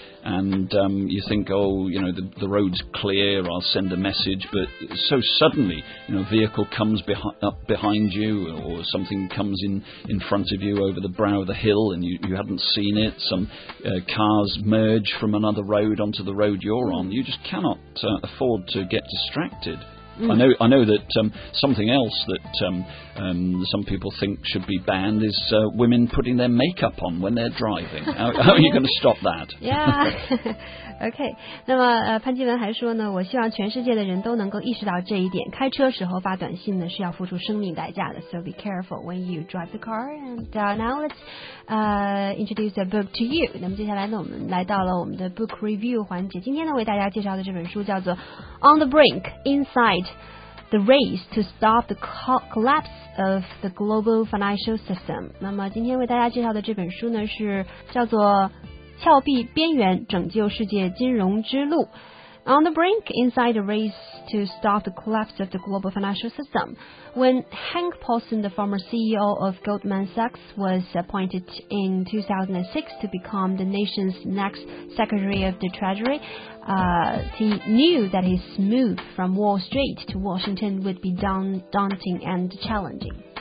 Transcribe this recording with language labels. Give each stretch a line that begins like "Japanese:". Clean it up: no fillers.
English: and you think, oh, you know, the road's clear, I'll send a message, but so suddenly, you know, a vehicle comes up behind you, or something comes in front of you over the brow of the hill, and you hadn't seen it, some cars merge from another road onto the road you're on, you just cannot afford to get distracted. Mm. I know that something else that some people think should be banned is women putting their makeup on when they're driving. How are you going to stop that? Yeah.
Chinese: OK, 那么潘基文还说呢，我希望全世界的人都能够意识到这一点，开车时候发短信呢是要付出生命代价的。
English: So be careful when you drive the car. And now let's introduce a book to you.
Chinese: 那么接下来呢，我们来到了我们的 book review 环节。今天呢，为大家介绍的这本书叫做 On the Brink, Inside the Race to Stop the Collapse of the Global Financial System. 那么今天为大家介绍的这本书呢，是叫做峭壁边缘，拯救世界金融之路。
English: On the Brink, Inside the Race to Stop the Collapse of the Global Financial System. When Hank Paulson, the former CEO of Goldman Sachs, was appointed in 2006 to become the nation's next Secretary of the Treasury, he knew that his move from Wall Street to Washington would be daunting and challenging.